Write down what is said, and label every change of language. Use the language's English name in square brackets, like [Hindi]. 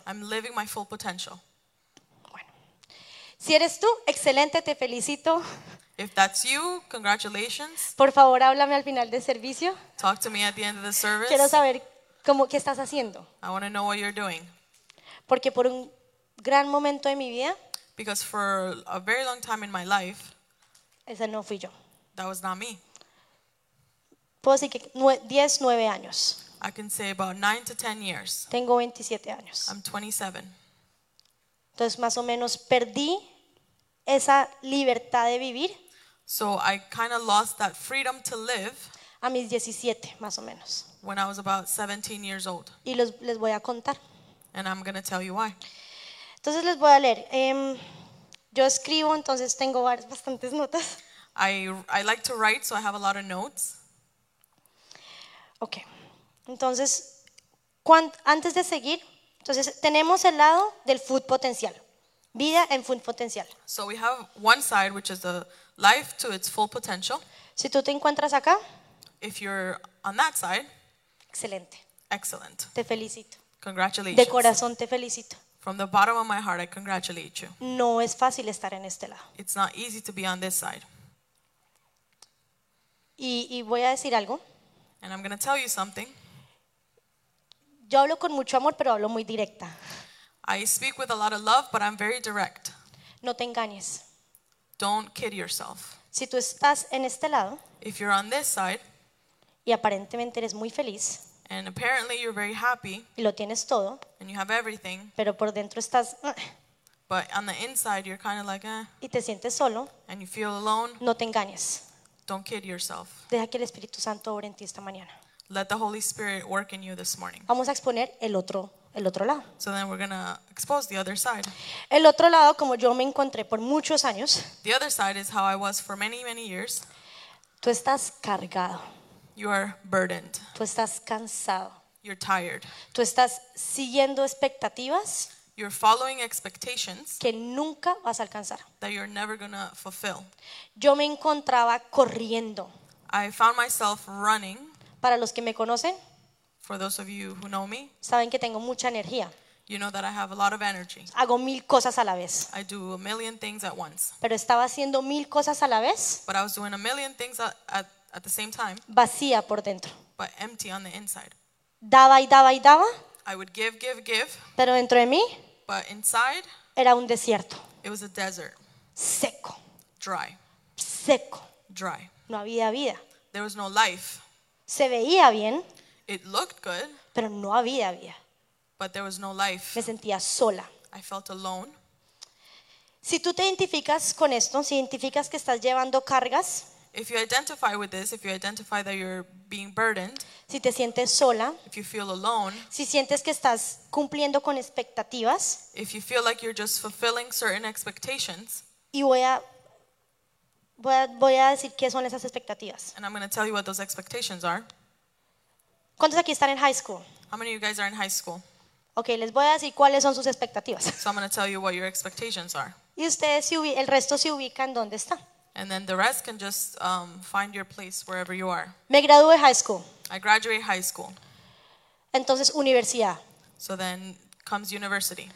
[English] I'm living my full potential. [Spanish] Bueno. Si eres tú, excelente, te felicito. [English] If that's you, congratulations. [Spanish] Por favor, háblame al final del servicio. [English] Talk to me at the end of the service. [Spanish] Quiero saber cómo, qué estás haciendo. [English] I want to know what you're doing. [Spanish] Porque por un gran momento de mi vida, [English] because for a very long time in my life, [Spanish] ese no fui yo. [English] That was not me. [Spanish] Puedo decir que 10, 9 años. [English] I can say about 9 to 10 years. [Spanish] Tengo 27 años. [English] I'm 27. [Spanish] Entonces más o menos perdí esa libertad de vivir. [English] So I kind of lost that freedom to live. [Spanish] A mis 17 más o menos. [English] When I was about 17 years old. [Spanish] Y los les voy a contar. [English] And I'm going to tell you why. [Spanish] Entonces les voy a leer. Yo escribo, entonces tengo bastantes notas. [English] I like to write, so I have a lot of notes. Okay. [Spanish] Entonces, antes de seguir, entonces tenemos el lado del full potencial. Vida en full potencial. [English] So we have one side which is the life to its full potential. [Spanish] Si tú te encuentras acá, [English] if you're on that side. [Spanish] Excelente. [English] Excellent. [Spanish] Te felicito. [English] Congratulations. [Spanish] De corazón te felicito. [English] From the bottom of my heart, I congratulate you. [Spanish] No es fácil estar en este lado. [English] It's not easy to be on this side. [Spanish] Y voy a decir algo. [English] And I'm going to tell you something. [Spanish] Yo hablo con mucho amor, pero hablo muy directa. [English] I speak with a lot of love, but I'm very direct. [Spanish] No te engañes. [English] Don't kid yourself. [Spanish] Si tú estás en este lado, [English] if you're on this side, [Spanish] y aparentemente eres muy feliz, [English] and apparently you're very happy, [Spanish] y lo tienes todo, [English] and you have everything, [Spanish] pero por dentro estás, [English] but on the inside you're kind of like, eh, [Spanish] y te sientes solo, [English] and you feel alone, [Spanish] no te engañes. [English] Don't kid yourself. [Spanish] Deja que el Espíritu Santo obre en ti esta mañana. [English] Let the Holy Spirit work in you this morning. [Spanish] Vamos a exponer el otro lado. [English] So then we're going to expose the other side. [Spanish] El otro lado, como yo me encontré por muchos años. [English] The other side is how I was for many, many years. [Spanish] Tú estás cargado. [English] You are burdened. [Spanish] Tú estás cansado. [English] You're tired. [Spanish] Tú estás siguiendo expectativas. [English] You're following expectations [Spanish] que nunca vas a alcanzar. [English] That you're never going to fulfill. [Spanish] Yo me encontraba corriendo. [English] I found myself running. [Spanish] Para los que me conocen, [English] for those of you who know me, [Spanish] saben que tengo mucha energía. [English] You know that I have a lot of energy. [Spanish] Hago mil cosas a la vez. [English] I do a million things at once. [Spanish] Pero estaba haciendo mil cosas a la vez. [English] But I was doing a million things at the same time. [Spanish] Vacía por dentro. [English] But empty on the inside. [Spanish] Daba y daba y daba. [English] I would give, give, give. [Spanish] Pero dentro de mí, [English] but inside, [Spanish] era un desierto. [English] It was a desert. [Spanish] Seco. [English] Dry. [Spanish] Seco. [English] Dry. [Spanish] No había vida. [English] There was no life. [Spanish] Se veía bien. [English] It looked good. [Spanish] Pero no había vida. [English] But there was no life. [Spanish] Me sentía sola. [English] I felt alone. [Spanish] Si tú te identificas con esto, si identificas que estás llevando cargas, [English] if you identify with this, if you identify that you're being burdened, [Spanish] si te sientes sola, [English] if you feel alone, [Spanish] si sientes que estás cumpliendo con expectativas, [English] if you feel like you're just fulfilling certain expectations, [Spanish] y voy a decir qué son esas expectativas. [English] And I'm going to tell you what those expectations are. [Spanish] ¿Cuántos aquí están en high school? [English] How many of you guys are in high school? [Spanish] Okay, les voy a decir cuáles son sus expectativas. [English] So I'm going to tell you what your expectations are. [Spanish] Y ustedes, el resto se ubican donde está. [English] And then the rest can just find your place wherever you are. [Spanish] Me gradué high school. [English] I graduate high school. [Spanish] Entonces, universidad. [English] So then comes university.